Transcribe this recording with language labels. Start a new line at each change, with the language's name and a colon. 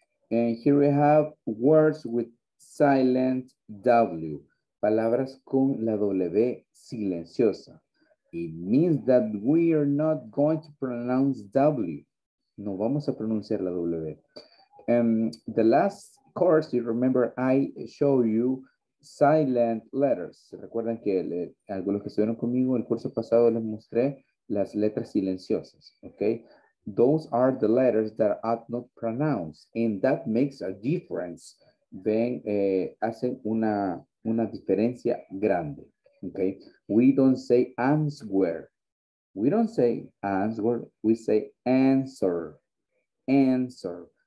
English: And here we have words with silent W,
Spanish: palabras con la W silenciosa.
English: It means that we are not going to pronounce W.
Spanish: No vamos a pronunciar la W.
English: The last course, you remember, I show you silent letters.
Spanish: Recuerdan que algunos que estuvieron conmigo, el curso pasado les mostré las letras silenciosas, okay?
English: Those are the letters that are not pronounced, and that makes a difference.
Spanish: Ven, hacen una diferencia grande.
English: Okay, we don't say answer. We don't say answer, we say answer. Answer.